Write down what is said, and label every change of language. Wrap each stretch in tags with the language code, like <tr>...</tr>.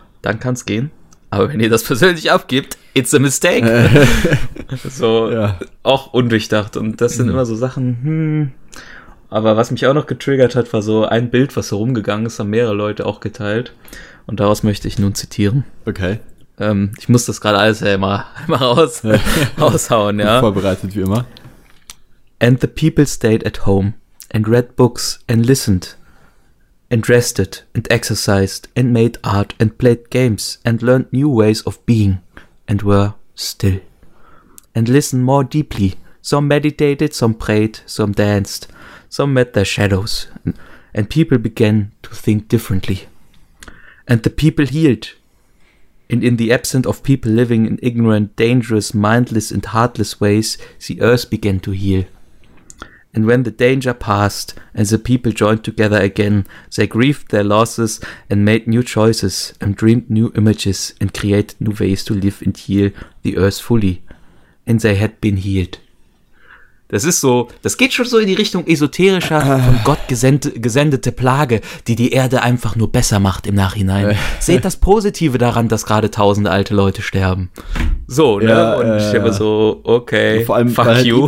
<de>Dann kann's gehen. Aber wenn ihr das persönlich abgibt,</de> <en>it's a mistake.</en> <de>So, ja. Auch undurchdacht. Und das sind immer so Sachen, Aber was mich auch noch getriggert hat, war so ein Bild, was herumgegangen ist, haben mehrere Leute auch geteilt. Und daraus möchte ich nun zitieren. Okay. Ich muss das gerade alles immer raushauen, ja. Vorbereitet wie immer.</de> <en>And the people stayed at home and read books and listened and rested and exercised and made art and played games and learned new ways of being and were still and listened more deeply. Some meditated, some prayed, some danced, some met their shadows and people began to think differently. And the people healed. And in the absence of people living in ignorant, dangerous, mindless and heartless ways, the earth began to heal. And when the danger passed and the people joined together again, they grieved their losses and made new choices and dreamed new images and created new ways to live and heal the earth fully. And they had been healed.</en> <de>Das ist so, das geht schon so in die Richtung esoterischer, von Gott gesendete Plage, die die Erde einfach nur besser macht im Nachhinein. Seht das Positive daran, dass gerade tausende alte Leute sterben. So, ne? Ja, und ich habe so, okay, vor allem, fuck weil you.</de>